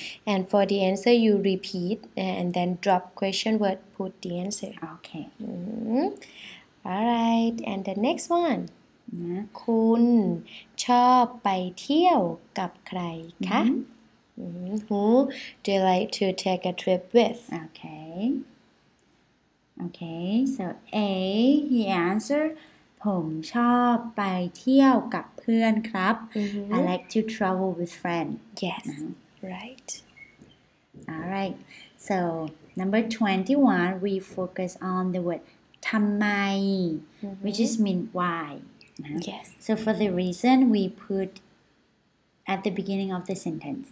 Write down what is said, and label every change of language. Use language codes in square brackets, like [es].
[en] And for the answer, you repeat and then drop question word, put the answer. Okay. All right. And the next one. [th] คุณชอบไปเที่ยวกับใครคะ [en] Who do you like to take a trip with? Okay. Okay. So A, he answered, [th] ผมชอบไปเที่ยวกับเพื่อนครับ [en] I like to travel with friends. Yes. Right. All right. So number 21, we focus on the word ทำไม which is mean why. Nah. Yes. So for the reason, we put at the beginning of the sentence.